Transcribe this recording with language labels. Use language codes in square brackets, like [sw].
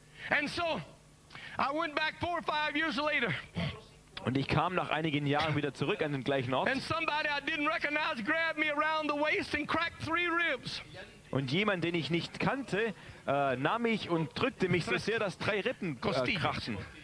[en] And so, I went back 4 or 5 years later. [de] Und ich kam nach einigen Jahren wieder zurück an den gleichen Ort. [en] And somebody I didn't recognize grabbed me around the waist and cracked 3 ribs. [de] Und jemand, den ich nicht kannte, nahm mich und drückte mich so sehr, dass 3 Rippen krachten.